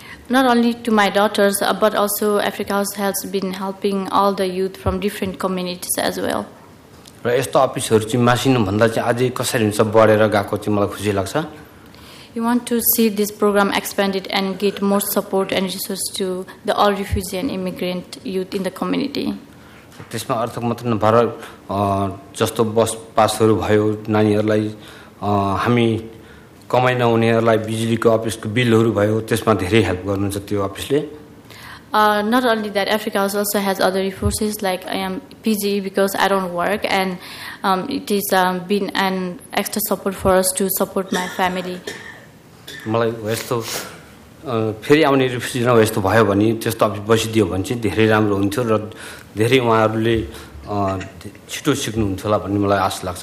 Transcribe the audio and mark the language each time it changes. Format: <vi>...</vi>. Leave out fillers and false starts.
<en>Not only to my daughters, but also Africa House has been helping all the youth from different communities as well. You want to see this program expanded and get more support and resources to the all refugee and immigrant youth in the community.</en> <ne>त्यसमा अर्थ मात्र नभएर जस्तो बस पासहरू भयो नानीहरूलाई हामी कमाइ नहुनेहरूलाई बिजुलीको अफिसको बिलहरू भयो त्यसमा धेरै हेल्प गर्नुहुन्छ त्यो अफिसले</ne> <en>Not only that, Africa House also has other resources, like I am busy because I don't work, and it has been an extra support for us to support my family.</en>